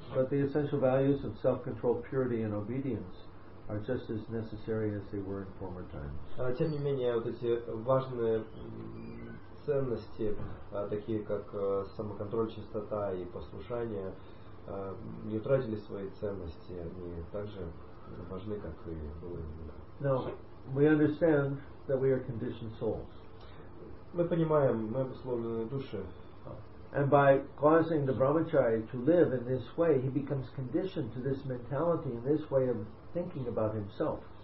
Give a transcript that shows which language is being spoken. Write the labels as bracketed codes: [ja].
[en] But the essential values of self-control, purity, and obedience are just as necessary as they were in former times. [ru] Тем не менее, вот эти важные ценности, такие как самоконтроль, чистота и послушание, не утратили свои ценности, они также важны, как и было. [en] Now, we understand that we are conditioned souls. [ru] Мы понимаем, мы обусловлены души. [en] And by causing the brahmacharya to live in this way, he becomes conditioned to this mentality and this way of thinking about himself.